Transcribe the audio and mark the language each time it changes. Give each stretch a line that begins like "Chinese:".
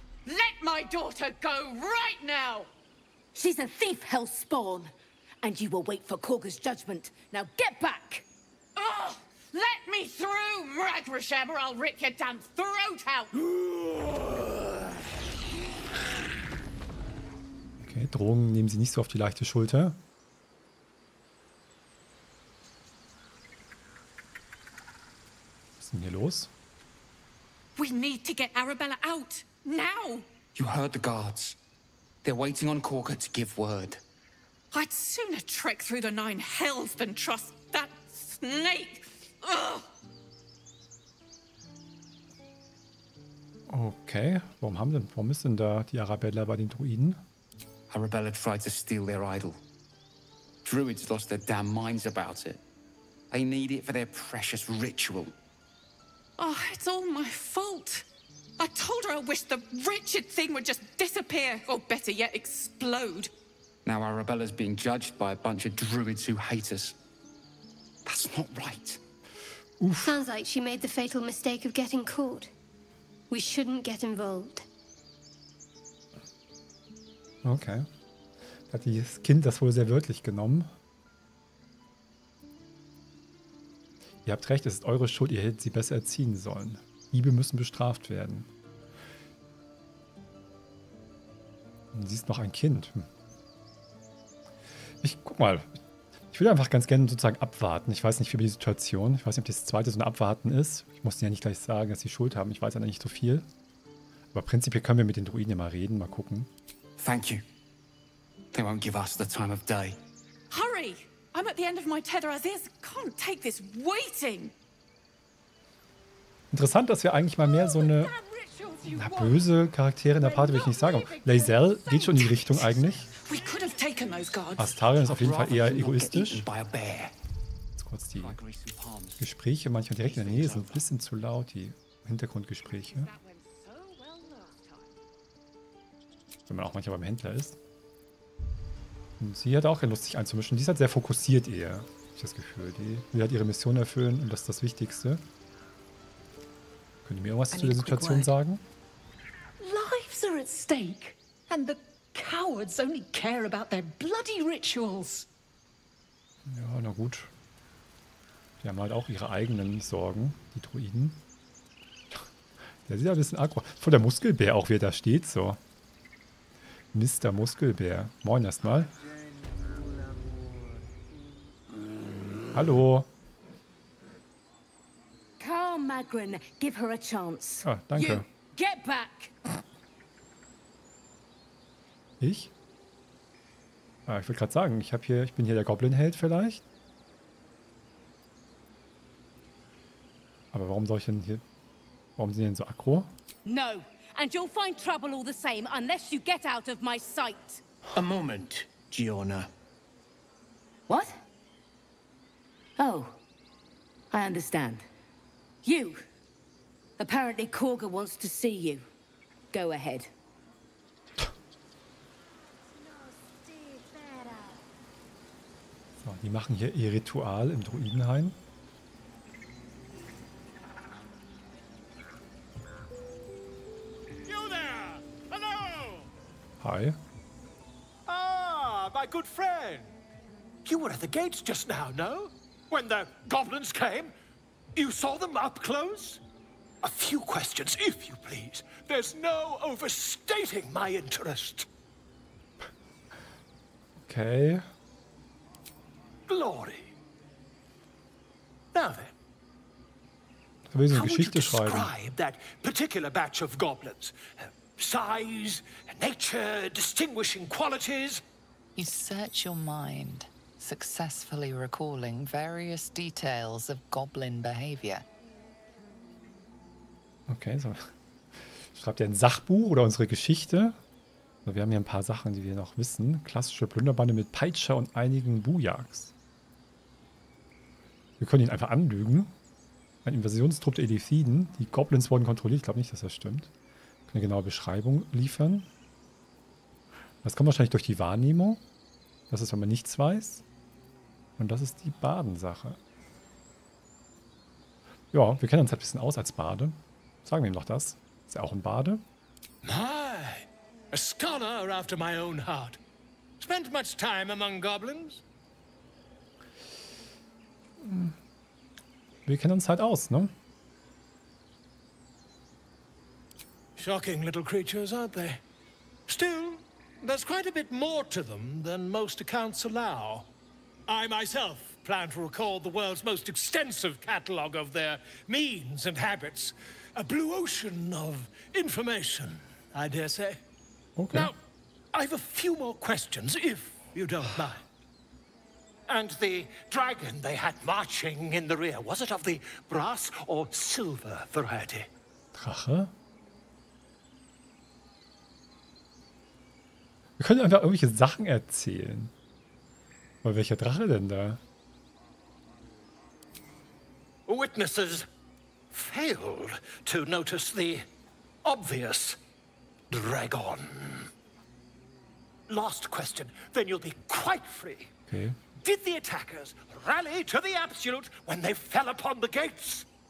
English: Let my daughter go right now. She's a thief, Hellspawn. And you will wait for Corga's judgment. Now get back. Oh, let me through, Mragrisham, or I'll rip your damn throat out.
German: Okay, Drogen nehmen Sie nicht so auf die leichte Schulter. Was ist denn hier los?
English: We need to get Arabella out. Now! You heard the guards. They're waiting on Corga to give word. I'd sooner trek through the nine hells than trust that snake! Ugh.
German: Okay, warum ist denn da die Arabella bei den Druiden?
English: Arabella tried to steal their idol. Druids lost their damn minds about it. They need it for their precious ritual. Oh, it's all my fault. I told her I wished the wretched thing would just disappear, or better yet, explode. Now Arabella's being judged by a bunch of druids who hate us. That's not right. Oof. Sounds like she made the fatal mistake of getting caught. We shouldn't get involved. Okay.
German: Hat dieses Kind das wohl sehr wörtlich genommen? Ihr habt recht, es ist eure Schuld, ihr hättet sie besser erziehen sollen. Liebe müssen bestraft werden. Und sie ist noch ein Kind. Ich guck mal. Ich würde einfach ganz gerne sozusagen abwarten. Ich weiß nicht viel über die Situation. Ich weiß nicht, ob das zweite so ein Abwarten ist. Ich muss ja nicht gleich sagen, dass sie Schuld haben. Ich weiß ja nicht so viel. Aber prinzipiell können wir mit den Druiden ja mal reden. Mal gucken.
English: Thank you. They won't give us the time of day. Hurry! I'm at the end of my tether as is. Can't take this waiting.
German: Interessant, dass wir eigentlich mal mehr so eine böse Charaktere in der Party, würde ich nicht sagen. Laesel geht schon in die Richtung eigentlich. Astarion ist auf jeden Fall eher egoistisch. Jetzt kurz die Gespräche manchmal direkt in der Nähe, sind ein bisschen zu laut, die Hintergrundgespräche. Wenn man auch manchmal beim Händler ist. Und sie hat auch keine Lust, sich einzumischen. Die ist halt sehr fokussiert eher, habe ich das Gefühl. Die will halt ihre Mission erfüllen und das ist das Wichtigste. Könnt ihr mir irgendwas zu der Situation sagen?
English: Lives are at stake and the cowards only care about their bloody rituals.
German: Ja, na gut. Die haben halt auch ihre eigenen Sorgen, die Druiden. Der sieht ja ein bisschen aggro. Von der Muskelbär auch, wie er da steht, so. Mr. Muskelbär. Moin erstmal. Hallo.
English: Magrin, give her a chance.
German: Ah, danke.
English: You get back.
German: Ich? Ah, ich wollte gerade sagen, ich bin hier der Goblin-Held vielleicht. Aber warum soll ich denn hier? Warum sind die denn so aggro?
English: No, and you'll find trouble all the same, unless you get out of my sight. A moment, Giona. What? Oh, I understand. You! Apparently Corga wants to see you. Go ahead.
German: So, die machen hier ihr Ritual im Druidenhain.
English: You there! Hello! Hi. Ah, my good friend! You were at the gates just now, no? When the goblins came? You saw them up close? A few questions, if you please. There's no overstating my interest. Okay. Glory. Now then. How would you describe that particular batch of goblins? Size, nature, distinguishing qualities? You search your mind. successfully recalling various details of goblin behavior.
German: Okay, so schreibt ihr ein Sachbuch oder unsere Geschichte? Also wir haben hier ein paar Sachen, die wir noch wissen. Klassische Plünderbande mit Peitsche und einigen Bujaks. Wir können ihn einfach anlügen. Ein Invasionstrupp der Elithiden. Die Goblins wurden kontrolliert. Ich glaube nicht, dass das stimmt. Eine genaue Beschreibung liefern. Das kommt wahrscheinlich durch die Wahrnehmung. Das ist, wenn man nichts weiß. Und das ist die Badensache. Ja, wir kennen uns halt ein bisschen aus als Bade. Sagen wir ihm doch das. Ist er auch ein Bade?
English: My, a scholar after my own heart. Spent much time among goblins.
German: Wir kennen uns halt aus, ne?
English: Shocking little creatures, aren't they? Still, there's quite a bit more to them than most accounts allow. I myself plan to record the world's most extensive catalogue of their means and habits. A blue ocean of information, I dare say. Okay. Now, I've a few more questions, if you don't mind. And the dragon they had marching in the rear, was it of the brass or silver variety?
German: Drache? Wir können einfach irgendwelche Sachen erzählen. Aber welcher Drache denn da?
English: Witnesses failed to notice the obvious dragon. Last question, then you'll be quite free. Okay. Did the attackers rally to the Absolute when they fell upon the gates?